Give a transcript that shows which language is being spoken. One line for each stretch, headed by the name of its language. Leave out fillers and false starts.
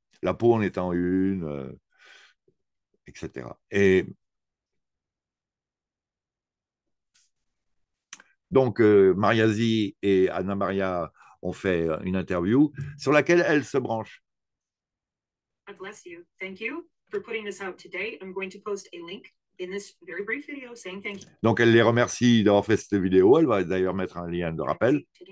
French: La peau en étant une, etc. Et donc, Mariazi et Anna Maria ont fait une interview sur laquelle elle se branche.
English: God bless you. Thank you for putting this out today. I'm going to post a link in this very brief video saying thank you.
French: Donc, elle les remercie d'avoir fait cette vidéo. Elle va d'ailleurs mettre un lien de rappel.